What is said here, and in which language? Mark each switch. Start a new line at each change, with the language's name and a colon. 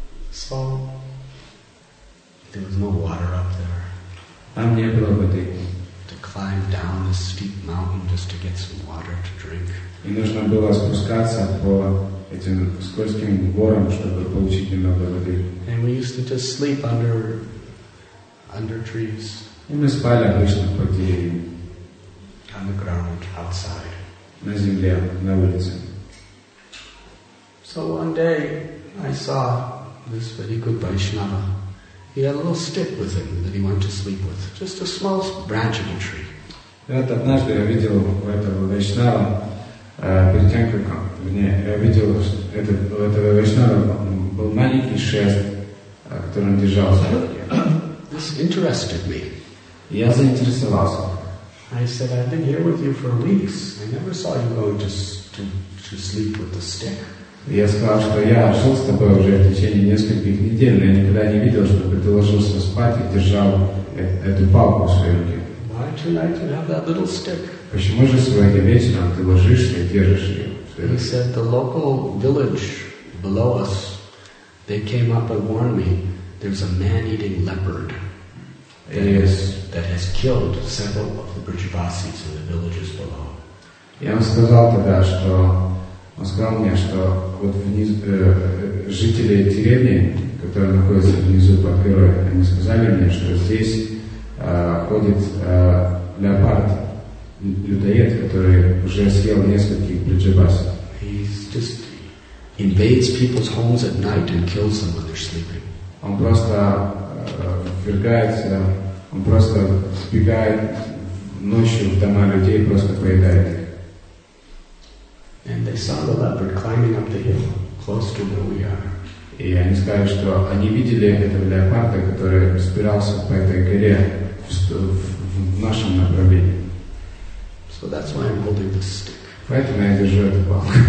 English: So, there was no water up there.
Russian: Там не было воды.
English: To climb down this steep mountain just to get some water to drink.
Russian: И нужно было спускаться по этим скользким горам, чтобы получить немного воды.
English: And we used to just sleep under trees.
Russian: И мы спали обычно под деревьями.
English: On the ground outside.
Russian: На земле, на улице.
English: So one day I saw this very good Vaishnava. He had a little stick with him that he wanted to sleep with. Just a small branch of a tree.
Russian: Вот однажды я видел у этого Вайшнава, перед тем, как он, вернее, я видел, что у этого Вайшнава был маленький шест, который он держал.
English: This interested me.
Russian: Я заинтересовался.
English: I said, I've been here with you for weeks. I never saw you go to sleep with the stick.
Russian: Я сказал, что я жил с тобой уже в течение нескольких недель, но я никогда не видел, чтобы ты ложился спать и держал эту палку в своей руке.
English: Why tonight you have that little stick?
Russian: Почему же сегодня вечером ты ложишься и держишь ее?
English: He said, the local village below us, they came up and warned me, there's a man-eating leopard. That has killed several of the Vrijabasis in the villages below.
Russian: Я вам сказал тогда, что он сказал мне, что вот вниз жители деревни, которые находятся внизу под горой, они сказали мне, что здесь ходит леопард, людоед, который уже съел нескольких бриджабасов.
English: He just invades people's homes at night and kills them when they're sleeping.
Russian: Он просто сбегает ночью в дома людей и просто поедает их.
English: And they saw the leopard climbing up the hill, close to where we are.
Russian: И они сказали, что они видели этого леопарда, который спирался по этой горе в нашем направлении.
English: So that's why I'm holding this stick.
Russian: Поэтому я держу эту палку.